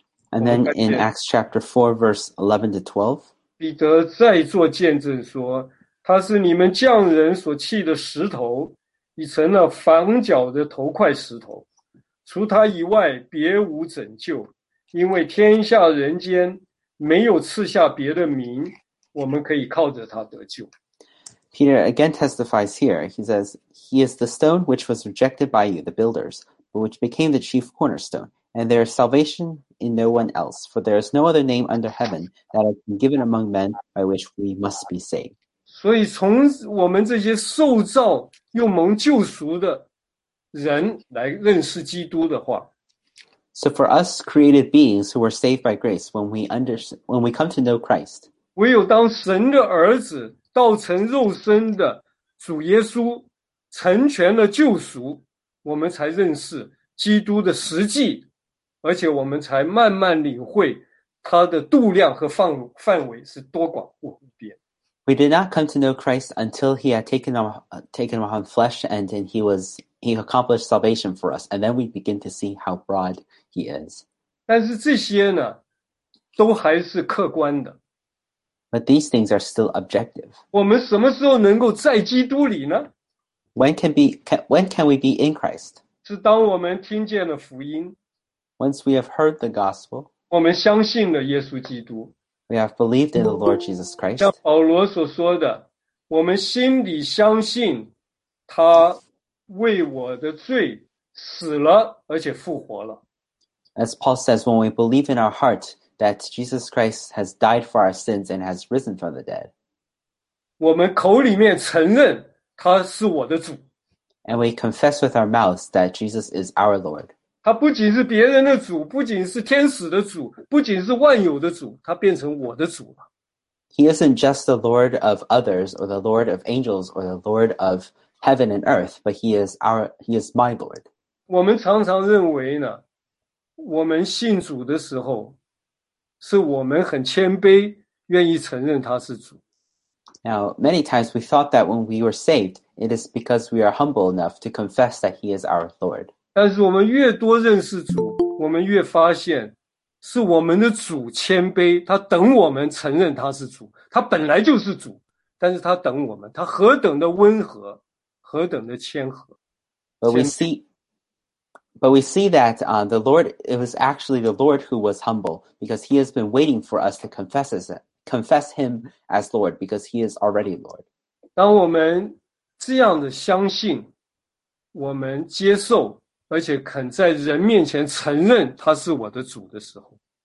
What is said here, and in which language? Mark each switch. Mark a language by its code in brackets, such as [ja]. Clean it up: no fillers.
[en] And then in Acts chapter 4, verse 11 to 12, [zh] 彼得再做见证说，他是你们匠人所弃的石头，已成了房角的头块石头，除他以外别无拯救。因为天下人间没有赐下别的名，我们可以靠着他得救。 [en] Peter again testifies here. He says, He is the stone which was rejected by you, the builders, but which became the chief cornerstone. And there is salvation in no one else, for there is no other name under heaven that has been given among men by which we must be saved. [zh] 所以从我们这些受造又蒙救赎的人来认识基督的话， [en] So for us created beings who were saved by grace, when we come to know Christ, [zh] 唯有当神的儿子道成肉身的主耶稣成全了救赎，我们才认识基督的实际，而且我们才慢慢领会他的度量和范围是多广无边。 [en] We did not come to know Christ until he had taken on flesh and then he accomplished salvation for us, and then we begin to see how broad he is. [zh] 但是这些呢，都还是客观的。 [en] But these things are still objective. [zh] 我们什么时候能够在基督里呢？ [en] When can we be in Christ? [zh] 是当我们听见了福音。 [en] Once we have heard the gospel. [zh] 我们相信了耶稣基督。 [en] We have believed in the Lord Jesus Christ. [zh] 像保罗所说的，我们心里相信他为我的罪死了，而且复活了。 [en] As Paul says, when we believe in our heart that Jesus Christ has died for our sins and has risen from the dead, [zh] 我们口里面承认他是我的主。 [en] And we confess with our mouths that Jesus is our Lord. [zh] 他不仅是别人的主，不仅是天使的主，不仅是万有的主，他变成我的主了。 [en] He isn't just the Lord of others, or the Lord of angels, or the Lord of heaven and earth, but he is my Lord. [zh] 我们常常认为呢，我们信主的时候，是我们很谦卑，愿意承认他是主。 [en] Now, many times we thought that when we were saved, it is because we are humble enough to confess that he is our Lord. [zh] 但是我们越多认识主，我们越发现，是我们的主谦卑，他等我们承认他是主，他本来就是主，但是他等我们，他何等的温和。何等的谦和。 [en] But we see that the Lord, it was actually the Lord who was humble because he has been waiting for us to confess him as Lord because he is already Lord. [zh] 当我们这样的相信，我们接受，而且肯在人面前承认他是我的主的时候。